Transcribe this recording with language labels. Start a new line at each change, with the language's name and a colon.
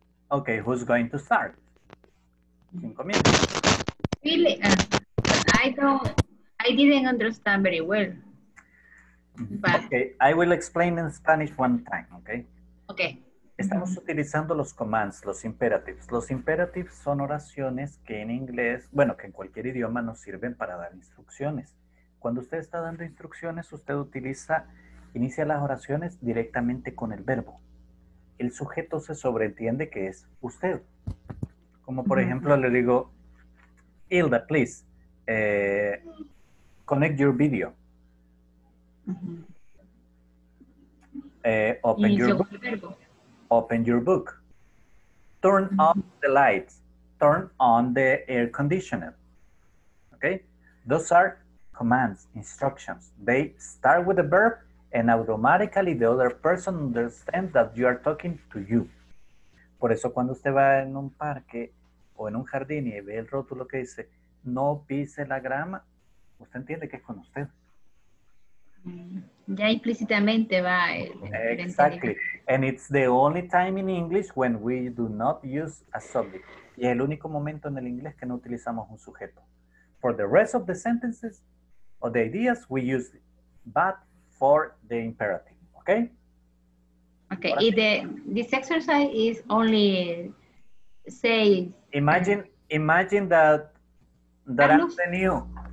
English: Okay, who's going to start? Really, I didn't understand very well. But... Okay, I will explain in Spanish one time, okay? Okay.
Spanish: Estamos utilizando los commands, los imperatives. Los imperatives son oraciones que en inglés, bueno, que en cualquier idioma nos sirven para dar instrucciones. Cuando usted está dando instrucciones, usted utiliza, inicia las oraciones directamente con el verbo. El sujeto se sobreentiende que es usted. Como por ejemplo, le digo, Hilda,
English: please, connect your video. Open your book. Open your book. Turn on the lights. Turn on the air conditioner. Okay? Those are commands, instructions. They start with a verb and automatically the other person understands that you are talking to you.
Spanish: Por eso cuando usted va en un parque o en un jardín y ve el rótulo que dice no pise la grama, usted entiende que es con usted. Ya implícitamente va.
English: Exactly. And it's the only time in English when we do not use a subject.
Spanish: Y es el único momento en el inglés que no utilizamos un sujeto.
English: For the rest of the sentences or the ideas, we use it. But for the imperative. Okay? Okay. This exercise is only say... Imagine that Carlos? I'm the new...